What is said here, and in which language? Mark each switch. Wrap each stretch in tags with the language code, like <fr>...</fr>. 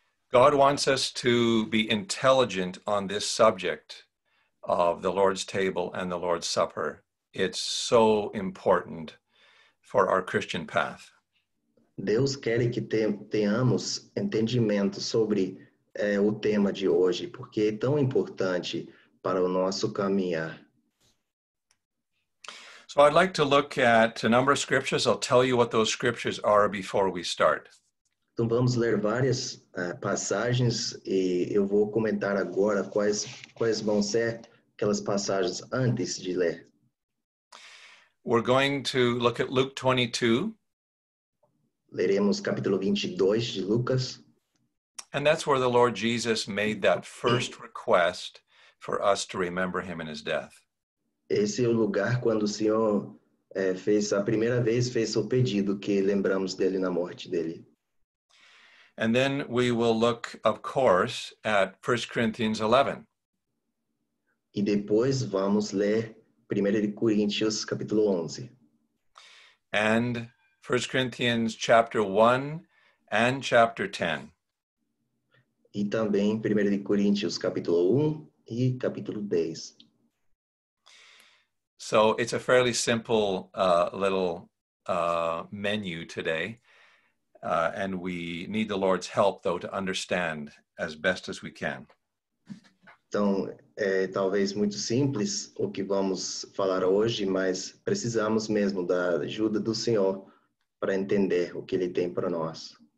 <en>God wants us to be intelligent on this subject of the Lord's table and the Lord's supper. It's so important for our Christian path.</en> <pt>Deus quer que tenhamos entendimento sobre o tema de hoje, porque é tão importante para o nosso caminhar.</pt> <en>So I'd like to look at a number of scriptures. I'll tell you what those scriptures are before we start.</en> <pt>Então vamos ler várias passagens e eu vou comentar agora quais vão ser aquelas passagens antes de ler.</pt> <en>We're going to look at Luke 22.</en> <pt>Leremos capítulo 22 de Lucas.</pt> <en>And that's where the Lord Jesus made that first request for us to remember him in his death.</en> <pt>Esse é o lugar quando o Senhor fez a primeira vez, fez o pedido que lembramos dele na morte dele.</pt> <en>And then we will look, of course, at 1 Corinthians 11.</en> <pt>E depois vamos ler 1 Coríntios capítulo 11.</pt> <en>And 1 Corinthians chapter 1 and chapter 10.</en> <pt>E também 1 Coríntios capítulo 1 e capítulo 10.</pt> <en>So it's a fairly simple little menu today. And we need the Lord's help, though, to understand as best as we can.</en> <pt>Então, é talvez muito simples o que vamos falar hoje, mas precisamos mesmo da ajuda do Senhor para entender o que Ele tem para nós.</pt>